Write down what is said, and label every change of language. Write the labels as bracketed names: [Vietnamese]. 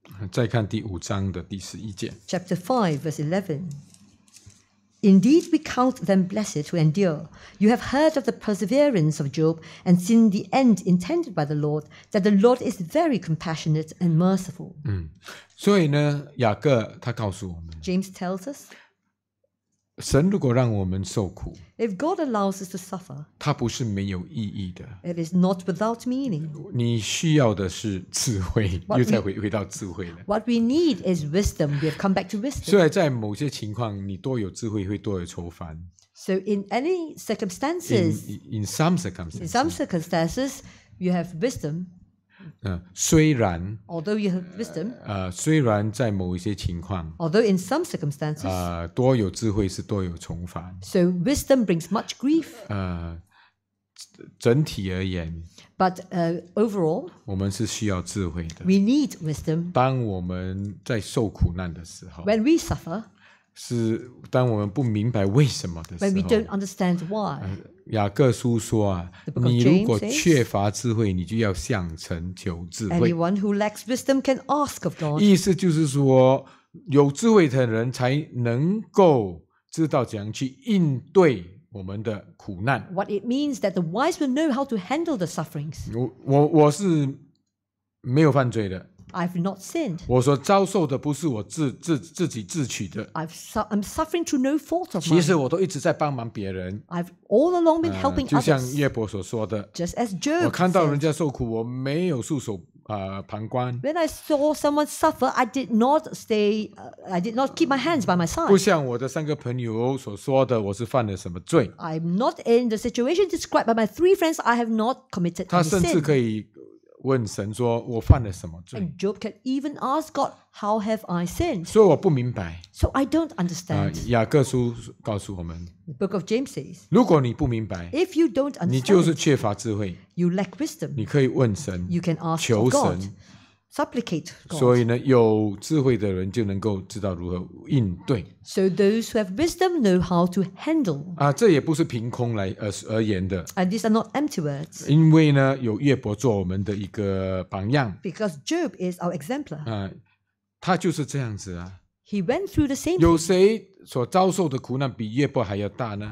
[Chinese] 再看第5章的第11节。 [English] Chapter 5, verse 11. Indeed, we count them blessed who endure. You have heard of the perseverance of Job and seen the end intended by the Lord, that the Lord is very compassionate and merciful. [Chinese] 所以呢，雅各他告诉我们， [English] James tells us, [Chinese] 神如果让我们受苦， [English] if God allows us to suffer, [Chinese] 祂不是没有意义的， [English] it is not without meaning. [Chinese] 你需要的是智慧， 又再回到智慧了。 [English] What we need is wisdom. We have come back to wisdom. [Chinese] 虽然在某些情况， 你多有智慧， 会多有愁烦。 [English] So in any circumstances, In some circumstances, you have wisdom. [Chinese] 虽然， [English] although you have wisdom, [Chinese] 虽然在某一些情况， [English] although in some circumstances, [Chinese] 多有智慧是多有重返， [English] so wisdom brings much grief. [Chinese] 整体而言， [English] but overall, [Chinese] 我们是需要智慧的， [English] we need wisdom. [Chinese] 当我们在受苦难的时候， [English] when we suffer, [Chinese] 是当我们不明白为什么的时候， [English] when we don't understand why, [Chinese] 雅各书说啊， 你如果缺乏智慧， 你就要向神求智慧。 [English] Anyone who lacks wisdom can ask of God. [Chinese] 意思就是说， 有智慧的人才能够知道怎样去应对我们的苦难。 [English] What it means that the wise will know how to handle the sufferings. [Chinese] 我是没有犯罪的。 [English] I've not sinned. [Chinese] 我所遭受的不是我自己自取的。 [English] I'm suffering through no fault of mine. [Chinese] 其实我都一直在帮忙别人。 [English] I've all along been helping others. [Chinese] 就像约伯所说的。 [English] Just as Job said. [Chinese] 我看到人家受苦， 我没有束手。 [English] When I saw someone suffer, I did not keep my hands by my side. [Chinese] 不像我的三个朋友所说的， 我是犯了什么罪。 [English] I'm not in the situation described by my three friends. I have not committed any sin. [Chinese] 他甚至可以 问神说， 我犯了什么罪？ [English] And Job can even ask God, how have I sinned? [Chinese] 所以我不明白。 [English] So I don't understand. [Chinese] 雅各书告诉我们， [English] the book of James says, [Chinese] 如果你不明白， [English] if you don't understand, [Chinese] 你就是缺乏智慧， [English] you lack wisdom, [Chinese] 你可以问神， [English] you can ask [Chinese] 求神， [English] God, supplicate God. [Chinese] 所以呢， 有智慧的人就能够知道如何应对。 [English] So those who have wisdom know how to handle. [Chinese] 这也不是凭空来而言的。 [English] And these are not empty words. [Chinese] 因为呢， 有约伯做我们的一个榜样。 [English] Because Job is our exemplar. [Chinese] 他就是这样子啊。 [English] He went through the same thing. [Chinese] 有谁所遭受的苦难比约伯还要大呢？